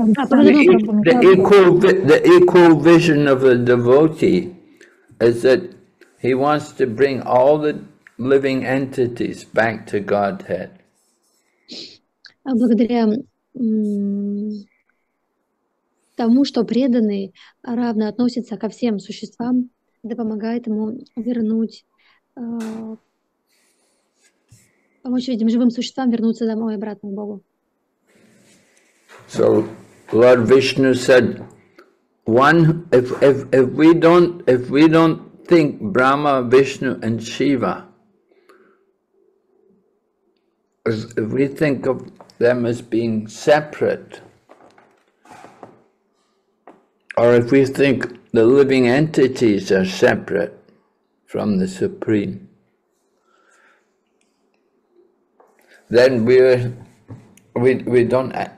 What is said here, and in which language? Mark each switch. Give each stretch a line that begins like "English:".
English: The equal vision of a devotee is that he wants to bring all the living entities back to Godhead.
Russian: Благодаря тому, что преданный равно относится ко всем существам, это помогает ему помочь этим живым существам вернуться домой обратно к Богу.
English: So Lord Vishnu said, "One, if we don't think Brahma, Vishnu, and Shiva, if we think of them as being separate, or if we think the living entities are separate from the Supreme, then we don't."